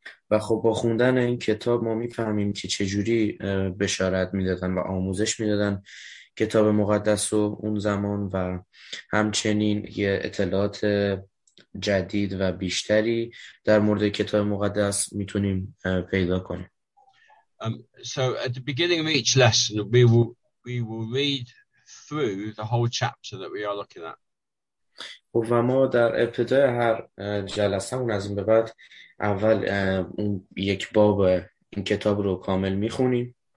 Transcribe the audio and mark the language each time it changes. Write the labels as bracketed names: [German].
[Persian] و خب با خوندن این کتاب ما میفهمیم که چجوری بشارت میدادن و آموزش میدادن کتاب مقدس و اون زمان، و همچنین یه اطلاعات جدید و بیشتری در مورد کتاب مقدس میتونیم پیدا کنیم. [English] So at the beginning of each lesson we will read through the whole chapter that we are looking at. [Persian] و ما در ابتدای هر جلسه اون از این به بعد اول اون یک باب این کتاب رو کامل میخونیم.